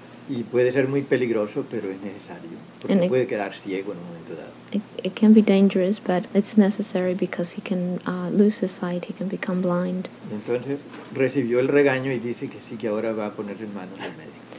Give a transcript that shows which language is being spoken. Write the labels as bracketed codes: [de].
[es] Y puede ser muy peligroso, pero es necesario. Porque [en] and [es] puede [en] it, [es] quedar ciego en un momento dado. [en] It can be dangerous, but it's necessary because he can lose his sight, he can become blind. [es] Y entonces recibió el regaño y dice que sí, que ahora va a ponerse en manos del médico.